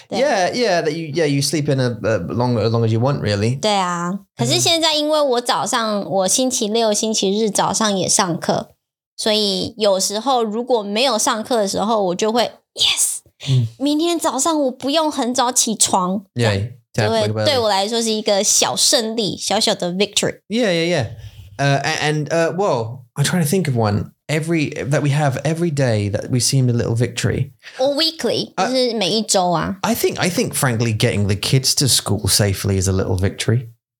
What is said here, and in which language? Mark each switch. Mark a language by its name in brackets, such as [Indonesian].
[English] Yeah, yeah, that you, yeah, you sleep in as long as you want, really. [Chinese] 对啊,可是现在因为我早上,我星期六,星期日早上也上课。所以有时候如果没有上课的时候，我就会 yes， 明天早上我不用很早起床，对我来说是一个小胜利，小小的 victory. [English] Yeah, yeah, yeah. Well, I'm trying to think of one every that we have every day that we seem a little victory. Or weekly, [Chinese] 就是每一周啊。 [English] I think, frankly, getting the kids to school safely is a little victory.